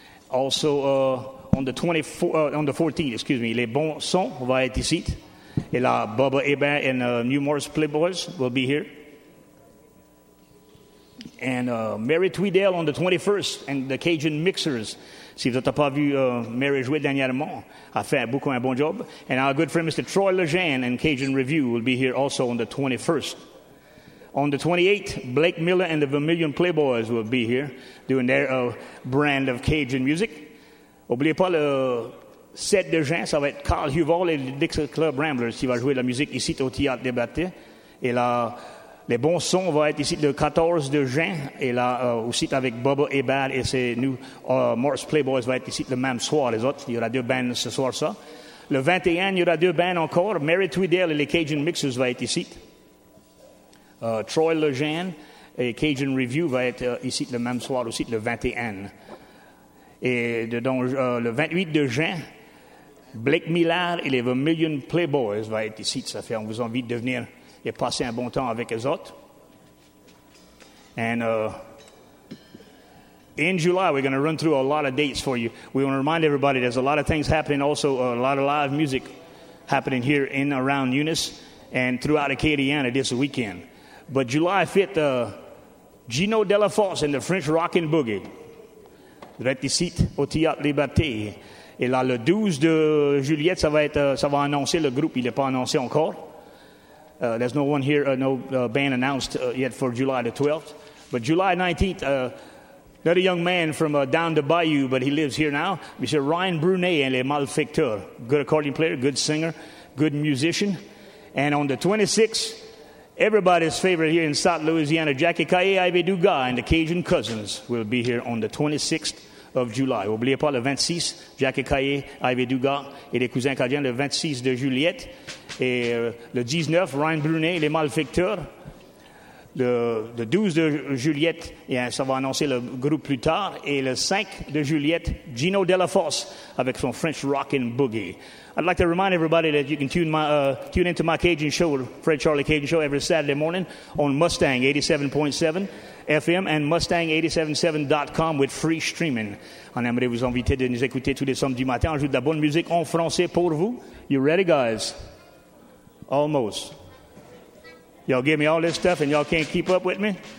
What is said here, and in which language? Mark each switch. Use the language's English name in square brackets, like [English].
[English] Also, on the 14th, Les Bons Sons [French] va être ici. Et là, [English] Bubba Hebert and New Morris Playboys will be here. And Mary Tweedale on the 21st, and the Cajun Mixers. [French] Si vous n'avez pas vu Mary jouer dernièrement, a fait beaucoup un bon job. [English] And our good friend Mr. Troy Lejeune and Cajun Review will be here also on the 21st. On the 28th, Blake Miller and the Vermilion Playboys will be here doing their brand of Cajun music. [French] N'oubliez pas le 7 de juin, ça va être Carl Huval et le Dixie Club Ramblers qui va jouer la musique ici au Théâtre des Batailles. Et là, les bons sons vont être ici le 14 de juin. Et là, aussi avec Bubba Hebert et ses new Morris Playboys vont être ici le même soir. Les autres, il y aura deux bands ce soir, ça. Le 21, il y aura deux bands encore. Mary Tweedale et les Cajun Mixers vont être ici. Troy Lejeune et Cajun Review va être ici le même soir, aussi le 21. Et le 28 de juin, Blake Millard et les Vermilion Playboys vont être ici. Ça fait, on vous invite de venir et passer un bon temps avec eux autres. [English] And in July, we're going to run through a lot of dates for you. We want to remind everybody there's a lot of things happening also, a lot of live music happening here in around Eunice and throughout Acadiana this weekend. But July 5th, Gino De La Force and the French Rockin' Boogie. [French] Réticit au Théâtre Liberté. Et là, le 12 de juillet, ça va annoncer le groupe. Il n'est pas annoncé encore. [English] There's no one here, no band announced yet for July the 12th. But July 19th, another young man from down the bayou, but he lives here now. Monsieur Ryan Brunet and Les Malfecteurs. Good accordion player, good singer, good musician. And on the 26th, everybody's favorite here in South Louisiana, Jackie Caillé, Ivy Duga, and the Cajun Cousins will be here on the 26th of July. [French] N'oubliez pas le 26, Jackie Caillé, Ivy Duga, et les Cousins Cajuns, le 26 de juillet. Et le 19, Ryan Brunet, Les Malfecteurs. Le 12 de juillet, et ça va annoncer le groupe plus tard. Et le 5 de juillet, Gino De La Force avec son French Rockin' Boogie. [English] I'd like to remind everybody that you can tune into my Cajun show, Fred Charlie Cajun Show, every Saturday morning on Mustang 87.7 FM and Mustang877.com with free streaming. [French] On aimerait vous inviter de nous écouter tous les samedis matin. On joue de la bonne musique en français pour vous. [English] You ready, guys? Almost. Y'all give me all this stuff and y'all can't keep up with me?